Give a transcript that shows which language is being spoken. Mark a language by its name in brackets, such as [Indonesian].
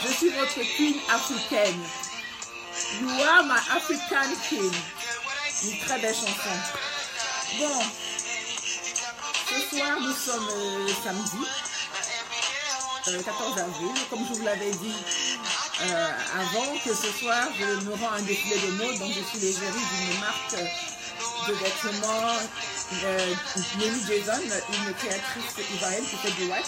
[French] Je suis votre queen africaine. [English] You are my African queen. [French] Une très belle chanson. Bon, ce soir nous sommes samedi, 14 avril, comme je vous l'avais dit. Avant que ce soir, je me rends un défilé de mode, donc je suis l'égérie d'une marque de vêtements, Nelly Jason, une créatrice ivoirienne qui fait du wax.